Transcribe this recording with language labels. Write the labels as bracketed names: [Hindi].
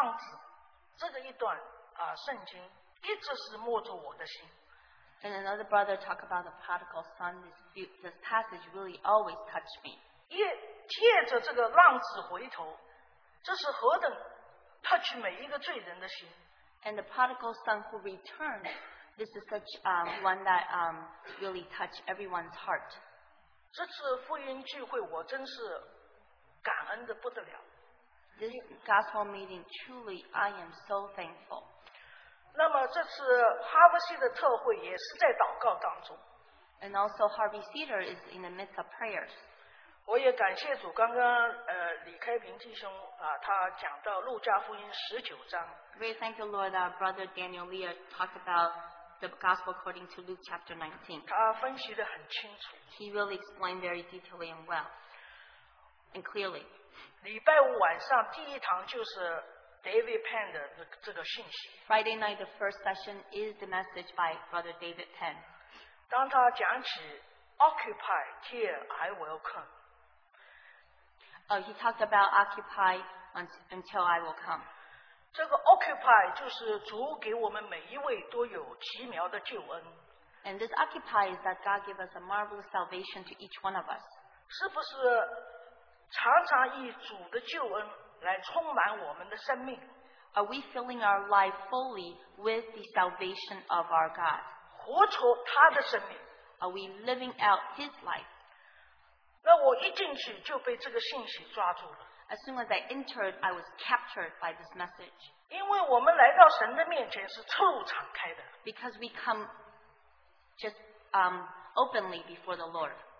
[Chinese] 浪子这个一段, 圣经, 一直是摸着我的心。 [English] And another brother talked about the prodigal son. This passage really always touched me. [Chinese] 借着这个浪子回头, 这是何等 touch 每一个罪人的心。 [English] And the prodigal son who returned, this is such one that really touched everyone's heart. [Chinese] 这次福音聚会我真是感恩的不得了。 [English] this gospel meeting, truly, I am so thankful. [Chinese] 那么这次 Harvey Cedar 特会也是在祷告当中。 [English] And also Harvey Cedar is in the midst of prayers. [Chinese] 我也感谢主刚刚李开平弟兄他讲到路加福音19章。 [English] We thank you, Lord, that Brother Daniel Lee talked about the gospel according to Luke chapter 19. [Chinese] 他分析得很清楚。 [English] He really explained very detailedly and well, and clearly. [Chinese] 礼拜五晚上第一堂就是 David Penn的这个信息。 [English] Friday night, the first session is the message by Brother David Penn. [Chinese] 当他讲起 [English] Occupy, here I will come. He talked about occupy until I will come. [Chinese] 这个 occupy 就是主给我们每一位都有奇妙的救恩。 [English] And this occupy is that God gave us a marvelous salvation to each one of us. [Chinese] 是不是常常以主的救恩来充满我们的生命？ [English] Are we filling our life fully with the salvation of our God? [Chinese] 活出他的生命。 [English] Are we living out His life? [Chinese] 那我一进去就被这个信息抓住了。 [English] As soon as I entered, I was captured by this message. [Chinese] 因为我们来到神的面前是彻悟敞开的。 [English] Because we come just openly before the Lord.